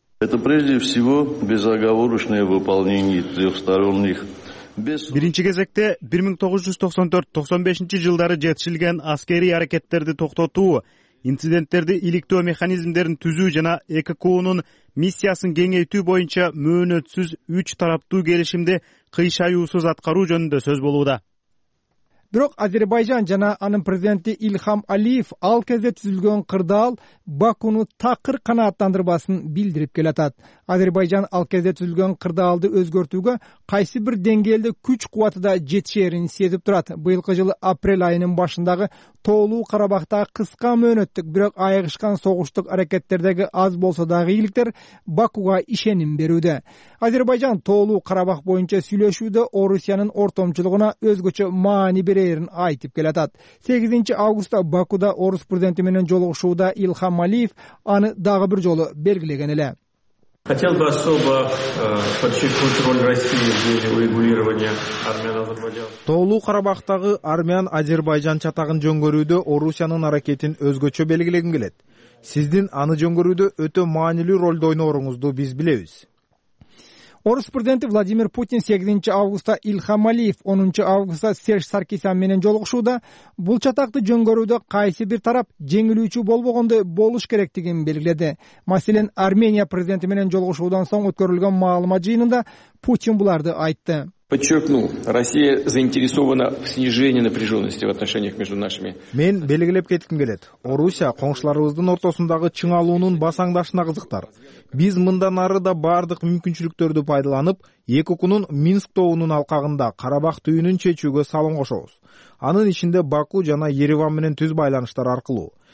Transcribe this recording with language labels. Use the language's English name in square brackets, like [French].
[Russian] Это прежде всего безоговорочное выполнение трехсторонних. [Kyrgyz] Биринчи кезекте 1994-95 жетишилген аскерий аракеттерди токтотуу, инциденттерди иликтөө механизмдерин түзүү жана ЭККУ-нун миссиясын кеңейтүү боюнча мөөнөтсүз үч тараптуу келишимди кыйшаюусуз аткаруу жөнүндө сөз болууда. Бирок Азербайжан жана анын президенти Ильхам Алиев ал кезде түзүлгөн кырдаал Бакуну такыр канааттандырбасын билдирип келатат. Азербайжан ал кезде түзүлгөн кырдаалды өзгөртүүгө кайсы бир деңгээлде күч кубаты да жетишэрин сезип турат. Быйылкы жылы апрель айынын башындагы Тоолуу Карабахта кыска мөөнөттүк, бирок айыгышкан согуштук аракеттердеги аз болсо дагы ийгиликтер Бакуга ишеним берүүдө. Азербайжан Тоолуу Карабах боюнча сүйлөшүүдө Орусиянын ортомчулугуна өзгөчө маани берээрин айтып келатат. 8 августта Бакуда орус президенти менен жолугушууда Илхам Алиев аны дагы бир жолу белгилеген эле. [Russian] Хотел бы особо подчеркнуть роль России в деле урегулирования армян-азербайджан. [Kyrgyz] Тоолуу Карабахтагы армян-азербайджан чатагын жөнгөрүүдө Орусиянын аракетин өзгөчө белгилегим келет. Сиздин аны жөнгөрүүдө өтө маанилүү ролду ойногонуңузду биз билебиз. Орус президенти Владимир Путин 8 августта Илхам Алиев, 10 августта Серж Саркисян менен жолугушууда бул чатакты жөнгөрүүдө кайсы бир тарап жеңилүүчү болбогондой болуш керектигин белгиледи. Маселен, Армения президенти менен жолугушуудан соң өткөрүлгөн маалымат жыйынында Путин буларды айтты. [Russian] Подчеркну, Россия заинтересована в снижении напряженности в отношениях между нашими. [Kyrgyz] Мен белгилеп кеткин келет. Орусия коңшуларыбыздын ортосундагы чыңалуунун басаңдашына кызыктар. Биз мындан ары да бардык мүмкүнчүлүктөрдү пайдаланып, эки укунун Минск тоонунун алкагында Карабах түйүнүн чечүүгө салым кошобуз. Анын ичинде Баку жана Ереван менен түз байланыштар аркылуу.